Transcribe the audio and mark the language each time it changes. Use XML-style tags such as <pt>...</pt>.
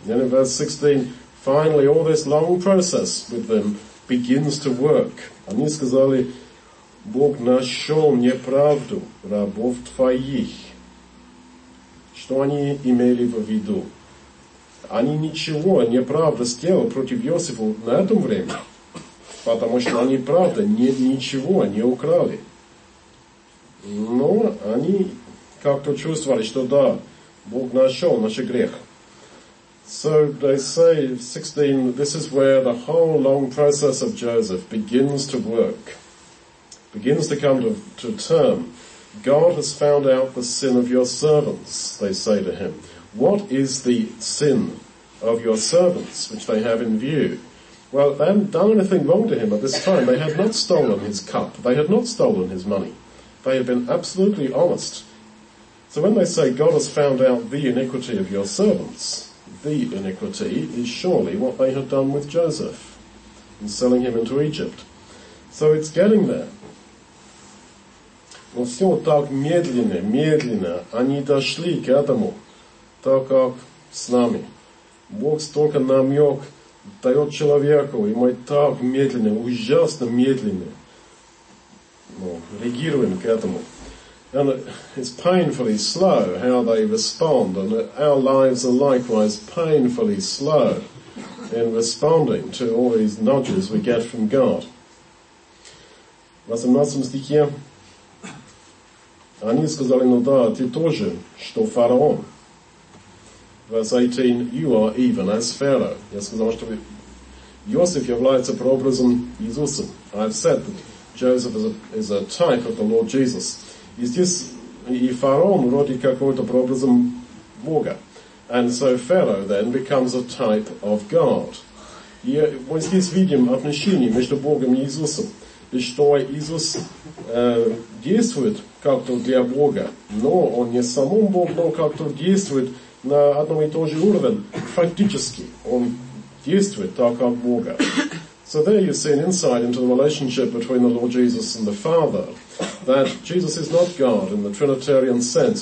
<en>Then in verse 16, finally all this long process with them begins to work.</en> <ru>Они сказали, Бог нашел неправду рабов твоих. Что они имели в виду? Они ничего неправда сделали против Иосифа на этом времени, потому что они, правда, ничего не украли. Но они как-то чувствовали, что да, Бог нашел наш грех.</ru> <en>So they say, 16, this is where the whole long process of Joseph begins to work. Begins to come to term. God has found out the sin of your servants, they say to him. What is the sin of your servants, which they have in view? Well, they haven't done anything wrong to him at this time. They had not stolen his cup. They had not stolen his money. They had been absolutely honest. So when they say God has found out the iniquity of your servants, the iniquity is surely what they had done with Joseph in selling him into Egypt. So it's getting there.</en> <ru>Но все так медленно, медленно они дошли к этому, так как с нами. Бог столько намек дает человеку, и мы так медленно, ужасно медленно, ну, реагируем к этому.</ru> <en>And it's painfully slow how they respond, and our lives are likewise painfully slow in responding to all these nudges we get from God.</en> <ru>В 18 стихе. Они сказали, ну да, ты тоже, что фараон.</ru> <en>Verse 18, you are even as Pharaoh.</en> <ru>Я сказал, что Иосиф является прообразом Иисуса.</ru> <en>I've said that Joseph is a type of the Lord Jesus.</en> <ru>И здесь и фараон вроде какой-то прообразом Бога.</ru> <en>And so Pharaoh then becomes a type of God.</en> <ru>И мы здесь видим отношение между Богом и Иисусом. и что Иисус действует как-то для Бога, но Он не сам Бог, но как-то действует на одном и том же уровне. Фактически, Он действует так, как Бога.</ru> <en>So there you see an insight into the relationship between the Lord Jesus and the Father, that Jesus is not God in the Trinitarian sense.</en>